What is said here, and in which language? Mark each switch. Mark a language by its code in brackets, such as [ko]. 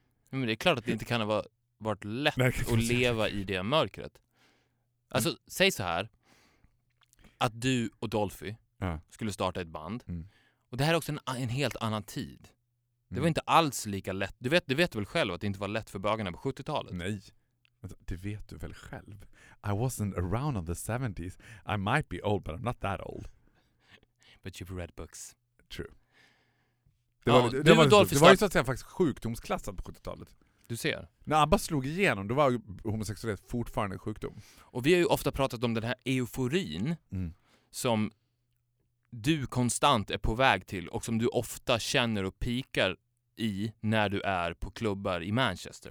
[sv] Men det är klart att det inte kan ha varit lätt att leva i det mörkret. Alltså, säg så här, att du och Dolphy skulle starta ett band, och det här är också en helt annan tid. Det var inte alls lika lätt. Du vet väl själv att det inte var lätt för bögarna på 70-talet? Nej. Det vet du väl själv. [en] I wasn't around on the 70s. I might be old, but I'm not that old. But you've read books. True. [sv] Det var ju så att säga faktiskt sjukdomsklassat på 70-talet. Du ser. När ABBA slog igenom, då var homosexualitet fortfarande en sjukdom. Och vi har ju ofta pratat om den här euforin som du konstant är på väg till och som du ofta känner och pikar i när du är på klubbar i Manchester.